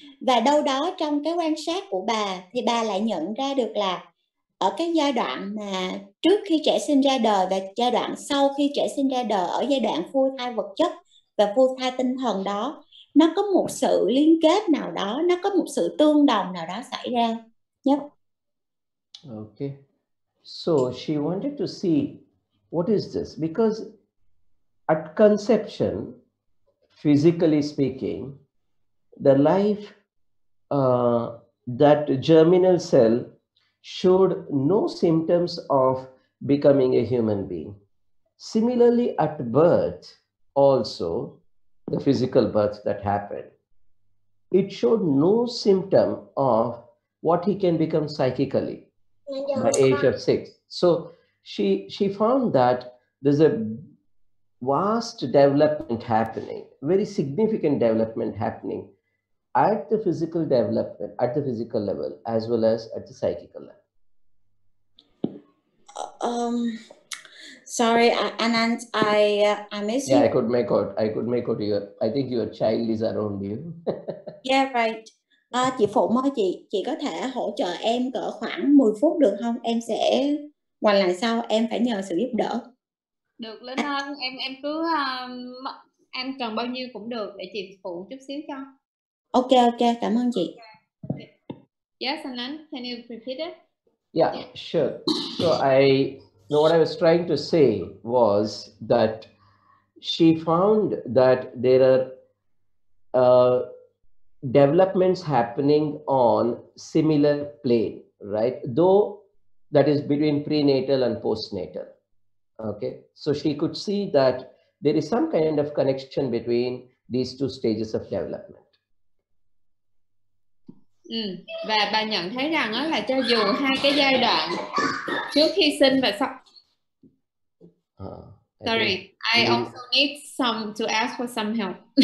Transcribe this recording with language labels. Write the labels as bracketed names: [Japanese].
[Vietnamese] Và đâu đó trong cái quan sát của bà thì bà lại nhận ra được là ở cái giai đoạn mà trước khi trẻ sinh ra đời và giai đoạn sau khi trẻ sinh ra đời, ở giai đoạn phôi thai vật chất và phôi thai tinh thần đó, nó có một sự liên kết nào đó, nó có một sự tương đồng nào đó xảy ra. [English] Yep. Okay. So she wanted to see what is this? Because at conception, physically speaking, the life, that germinal cell showed no symptoms of becoming a human being. Similarly, at birth also, the physical birth that happened, it showed no symptom of what he can become psychically by age of six. So she found that there's a vast development happening, very significant development happening at the physical development, at the physical level, as well as at the psychical level. Sorry, Anand, I miss yeah, you. Yeah, I could make out your, I think your child is around you. Yeah, right. [Vietnamese] Chị Phụng ơi, chị có thể hỗ trợ em cỡ khoảng 10 phút được không? Em sẽ hoàn lại sau, em phải nhờ sự giúp đỡ. Được, Linh Hân, em cứ em cần bao nhiêu cũng được để chị phụ chút xíu cho. Ok, cảm ơn chị. [English] Okay. Yes, Anand, can you repeat it? Yeah, sure. So I know what I was trying to say was that she found that there are developments happening on similar plane, right? Though that is between prenatal and postnatal. Okay. So she could see that there is some kind of connection between these two stages of development. [Vietnamese] Ừ. Và bà nhận thấy rằng đó là cho dù hai cái giai đoạn trước khi sinh và sau [English] sorry, I also need some to ask for some help.